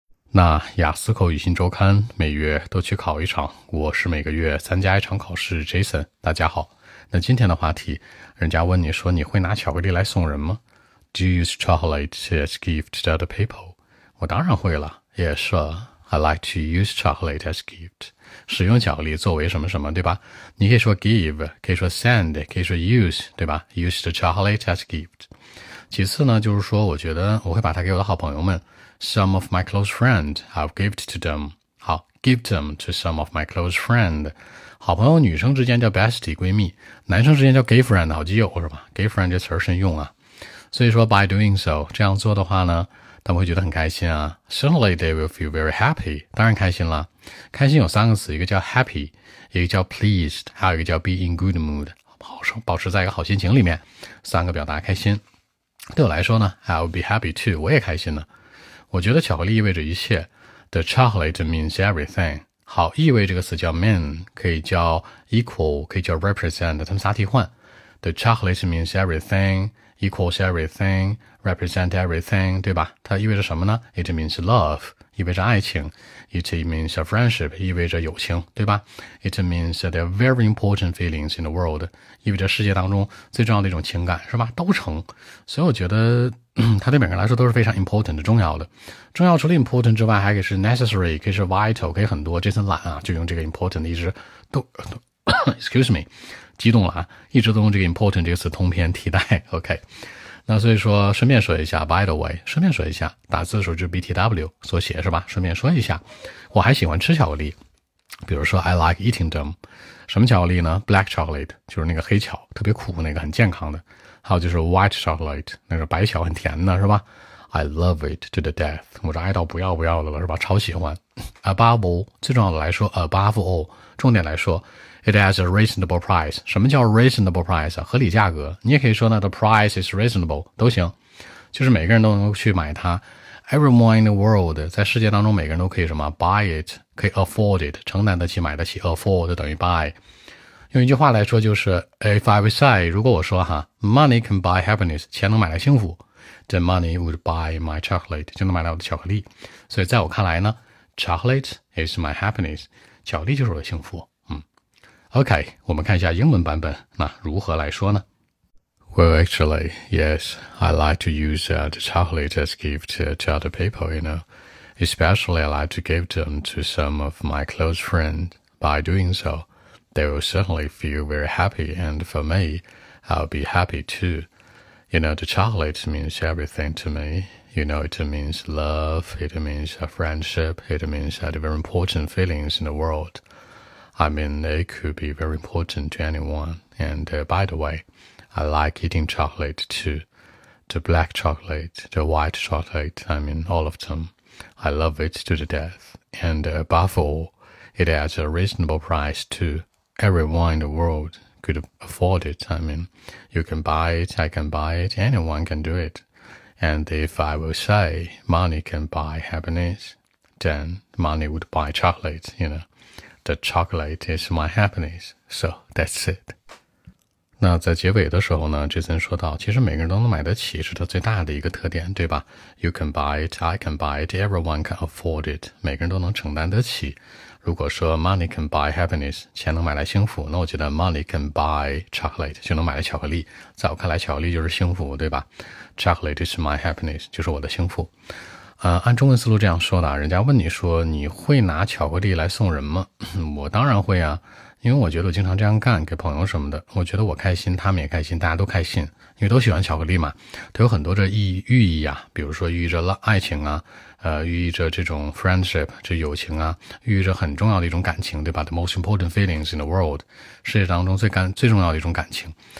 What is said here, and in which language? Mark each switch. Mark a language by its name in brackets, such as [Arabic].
[Chinese] 那雅思口语新周刊每月都去考一场，我是每个月参加一场考试 Jason， 大家好。那今天的话题，人家问你说你会拿巧克力来送人吗？ [English] Do you use chocolate as gift to other people? [Chinese] 我当然会了。 [English] Yeah, sure. I like to use chocolate as gift. [Chinese] 使用巧克力作为什么什么，对吧？你可以说 give, 可以说 send, 可以说 use, 对吧？ [English] Use the chocolate as gift. [Chinese] 其次呢，就是说我觉得我会把它给我的好朋友们。 [English] Some of my close friend, I'll give it to them. 好， give them to some of my close friend. [Chinese] 好朋友女生之间叫 bestie, 闺蜜。男生之间叫 gay friend, 好基友是吧？ gay friend 这词儿慎用啊。所以说 [English] by doing so, [Chinese] 这样做的话呢，他们会觉得很开心啊。 [English] Certainly they will feel very happy. [Chinese] 当然开心啦。开心有三个词，一个叫 happy, 一个叫 pleased, 还有一个叫 [English] be in good mood, [Chinese] 保持在一个好心情里面。三个表达开心。对我来说呢 [English] I'll be happy too, [Chinese] 我也开心呢。我觉得巧克力意味着一切。 [English] The chocolate means everything. [Chinese] 好，意味这个词叫 mean, 可以叫 equal, 可以叫 represent, 他们仨替换。 [English] The chocolate means everything, equals everything, represent everything, 对吧？ [Chinese] 它意味着什么呢？ [English] It means love, [Chinese] 意味着爱情。 [English] It means a friendship, [Chinese] 意味着友情，对吧？ [English] It means that there are very important feelings in the world, [Chinese] 意味着世界当中最重要的一种情感，是吧？都成。所以我觉得它对每个人来说都是非常 important, 重要的。重要除了 important 之外，还可以是 necessary, 可以是 vital, 可以很多。这次懒啊，就用这个 important 一直都 [English] excuse me, [Chinese] 激动了啊，一直都用这个 important 这个词通篇替代。 OK, 那所以说顺便说一下 by the way, 顺便说一下，打字的时候就 BTW 所写是吧，顺便说一下，我还喜欢吃巧克力，比如说 [English] I like eating them, [Chinese] 什么巧克力呢？ Black chocolate, 就是那个黑巧，特别苦那个，很健康的。还有就是 white chocolate, 那个白巧，很甜的是吧？ [English] I love it to the death, [Chinese] 我这爱到不要不要的了是吧，超喜欢。 [English] Above all, [Chinese] 最重要的来说 [English] above all, [Chinese] 重点来说 [English] It has a reasonable price. [Chinese] 什么叫 reasonable price? 合理价格。你也可以说呢 , [English] the price is reasonable, [Chinese] 都行。就是每个人都能去买它。Everyone in the world, 在世界当中每个人都可以什么 ,buy it, 可以 afford it, 承担得起买得起 ,afford 等于 buy。 [English] 用一句话来说就是 ,if I would say, [Chinese] 如果我说哈 [English] ,money can buy happiness, [Chinese] 钱能买来幸福 [English] ,then money would buy my chocolate, [Chinese] 就能买来我的巧克力。所以在我看来呢 , [English] chocolate is my happiness, [Chinese] 巧克力就是我的幸福。 OK, 我们看一下英文版本，那如何来说呢？ [English] Well, actually, yes, I like to use the chocolate as gift to other people, you know. Especially, I like to give them to some of my close friends. By doing so, they will certainly feel very happy, and for me, I'll be happy too. You know, the chocolate means everything to me. You know, it means love, it means a friendship, it means the very important feelings in the world. I mean, they could be very important to anyone. And by the way, I like eating chocolate too. The black chocolate, the white chocolate, I mean, all of them. I love it to the death. And above all, it has a reasonable price too. Everyone in the world could afford it. I mean, you can buy it, I can buy it, anyone can do it. And if I will say money can buy happiness, then money would buy chocolate, you know. The chocolate is my happiness, so that's it. [Chinese] 那在结尾的时候呢，Jason说到，其实每个人都能买得起是他最大的一个特点，对吧？ [English] You can buy it, I can buy it, everyone can afford it. [Chinese] 每个人都能承担得起。如果说 [English] money can buy happiness, [Chinese] 钱能买来幸福，那我觉得 [English] money can buy chocolate, [Chinese] 就能买来巧克力。在我看来，巧克力就是幸福，对吧？ [English] Chocolate is my happiness, [Chinese] 就是我的幸福。按中文思路这样说的，人家问你说你会拿巧克力来送人吗？我当然会啊，因为我觉得我经常这样干给朋友什么的，我觉得我开心，他们也开心，大家都开心，因为都喜欢巧克力嘛。它有很多的寓意啊，比如说寓意着爱情啊，寓意着这种 friendship, 这友情啊，寓意着很重要的一种感情，对吧？ [English] The most important feelings in the world, [Chinese] 世界当中最重要的一种感情。